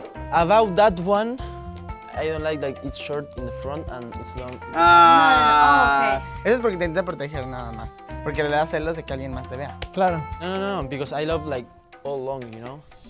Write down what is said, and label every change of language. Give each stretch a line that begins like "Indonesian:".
English: About that one, I don't like it's short in the front and it's long. Ah. No, oh, okay.
Spanish: Eso es porque te intenta proteger nada más. Porque le da celos de que alguien más te vea. Claro.
English: No, because I love all long, you know?